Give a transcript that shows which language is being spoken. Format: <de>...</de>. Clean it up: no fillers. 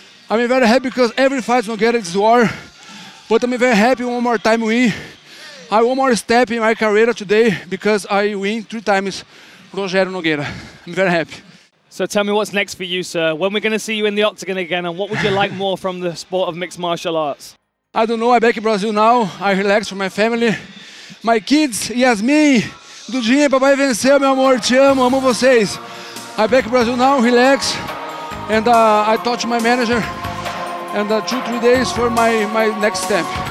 <en>I'm very happy because every fight Nogueira is war, but I'm very happy one more time win. I one more step in my career today because I win 3 times Rogério Nogueira. I'm very happy. So tell me what's next for you, sir. When we're going to see you in the octagon again, and what would you like more from the sport of mixed martial arts? I don't know. I'm back in Brazil now. I relax with my family. My kids,</en> <pt>Yasmin, Dudinha, papai venceu, meu amor, te amo, amo vocês.</pt> <en>I'm back in Brazil now, relax. And I talk to my manager, and 2-3 days for my next step.</en>